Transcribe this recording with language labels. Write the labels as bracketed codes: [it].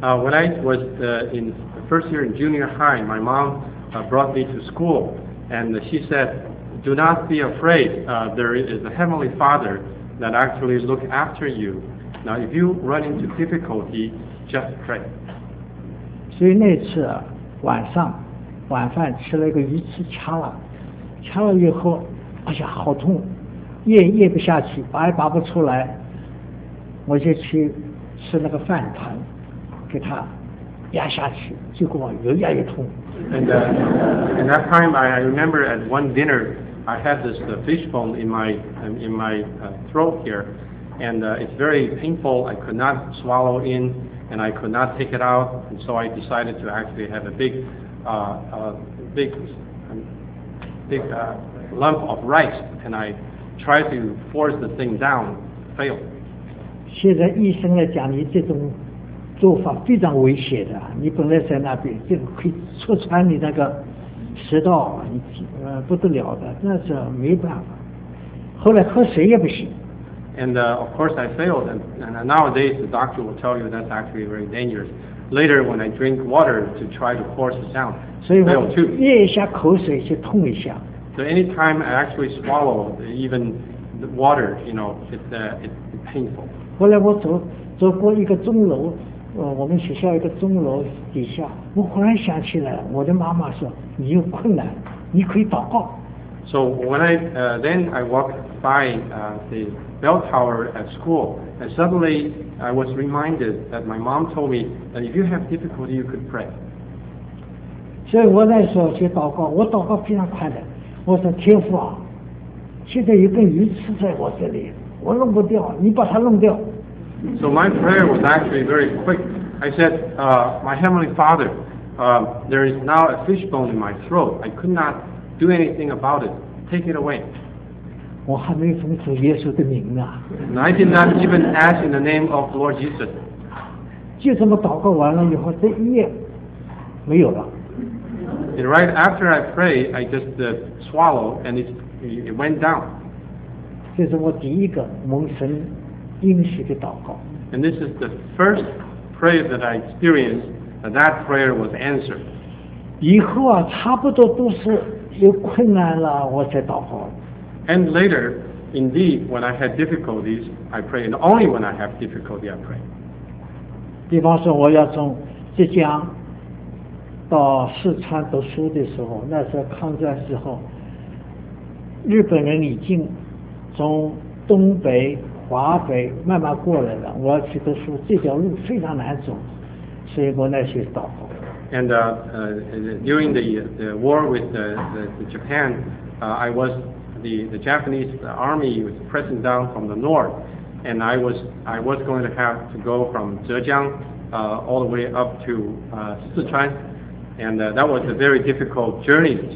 [en] When I was in the first year in junior high, my mom brought me to school, and she said. Do not be afraid. There is a heavenly Father that actually looks after you. Now, if you run into difficulty, just pray. [zh] 所以那次啊，晚上晚饭吃了一个鱼刺，掐了以后，哎呀，好痛，咽不下去，拔也拔不出来。我就去吃那个饭团，给他压下去，结果越压越痛。 [en] And that time, I remember at one dinner. I had this fishbone in my throat here, and it's very painful. I could not swallow in, and I could not take it out. And so I decided to actually have a big lump of rice, and I tried to force the thing down, failed. [zh] 现在医生来讲，你这种做法非常危险的。你本来在那边，这个可以戳穿你那个。食道不得了的，那是没办法。后来喝水也不行。 [en] And of course I failed, and nowadays the doctor will tell you that's actually very dangerous. Later when I drink water to try to force it down, failed too. [zh] 咽一下口水就痛一下。 [en] So anytime I actually swallow even the water, you know, it's painful. [zh] 后来我走过一个钟楼，我们学校一个钟楼底下，我忽然想起来，我的妈妈说，你有困难，你可以祷告。 [en] So when I then I walked by the bell tower at school, and suddenly I was reminded that my mom told me that if you have difficulty, you could pray. [zh] 所以我那时候去祷告，我祷告非常快的，我说天父啊，现在有根鱼刺在我这里，我弄不掉，你把它弄掉。 [en] So my prayer was actually very quick. I said, my heavenly father, there is now a fishbone in my throat. I could not do anything about it. Take it away. [zh] 我还没奉主耶稣的名呢。 [en] And I did not even ask in the name of Lord Jesus. [zh] 就这么祷告完了以后，这一夜没有了。 [en] And right after I prayed, I just swallowed and it went down. [zh] 这是我第一个蒙神应许的祷告。 [en] And this is the first prayer that I experienced, and that prayer was answered. [zh] 以后啊，差不多都是有困难了，我才祷告。 [en] And later, indeed, when I had difficulties, I prayed, and only when I have difficulty, I pray. [zh] 比方说，我要从浙江到四川读书的时候，那时候抗战时候，日本人已经从东北华北慢慢过来了，我要去读书，这条路非常难走，所以我那去祷告。 [en] And during the war with the Japan, I was the Japanese army was pressing down from the north, and I was going to have to go from Zhejiang all the way up to Sichuan, and that was a very difficult journey.